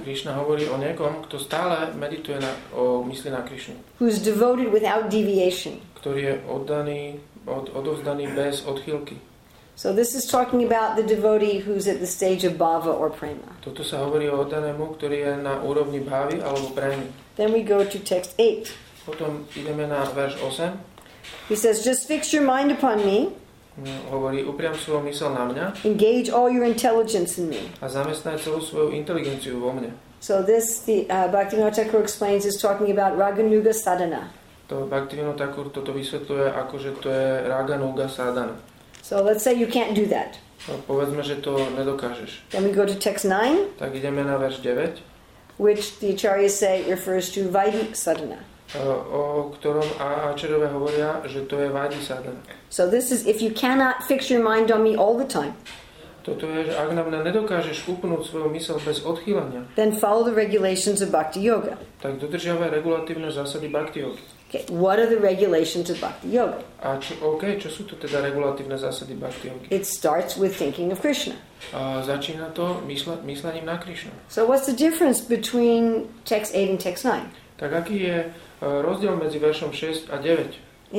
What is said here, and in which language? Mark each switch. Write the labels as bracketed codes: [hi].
[sk] Krishna hovorí o niekom, kto stále medituje na, o mysli na Krishnu. [en] Who's devoted without deviation. [sk] Ktorý je oddaný, odovzdaný bez odchýlky. [en] So this is talking about the devotee who's at the stage of bhava or prema. [sk] Toto sa hovorí o oddanému, ktorý je na úrovni bhavy alebo premy. [en] Then we go to text 8. [sk] Potom ideme na verš 8. [en] He says, just fix your mind upon me. [sk] Hovorí, upriam svoju mysel na mňa. [en] Engage all your intelligence in me. [sk] A zamestnaj celú svoju inteligenciu vo mne. [en] So this, the Bhaktivinoda Thakur explains, is talking about Raganuga Sadhana. [sk] To Bhaktivinoda Thakur toto vysvetľuje, akože to je Raganuga Sadhana. [en] So let's say you can't do that. [sk] No, povedzme, že to nedokážeš. [en] Then we go to text 9. [sk] Tak ideme na verš 9. [en] Which the Acharyas say refers to Vaidhi Sadhana. [sk] O ktorom Ačerové hovoria, že to je Vaidhi Sadhana. [en] So this is if you cannot fix your mind on me all the time. [sk] Toto je, že ak na mňa nedokážeš upnúť svoju mysel bez odchýlenia. [en] Then follow the regulations of Bhakti Yoga. [sk] Tak dodržiavaj regulatívne zásady Bhakti Yoga. [en] Okay, what are the regulations of Bhakti Yoga? [sk] A čo, okay, čo sú to teda regulatívne zásady Bhakti Yoga? [en] It starts with thinking of Krishna. [sk] Začína to myslením na Krishnu. [en] So what's the difference between text 8 and text 9? [sk] Tak aký je rozdiel medzi veršom 6 a 9?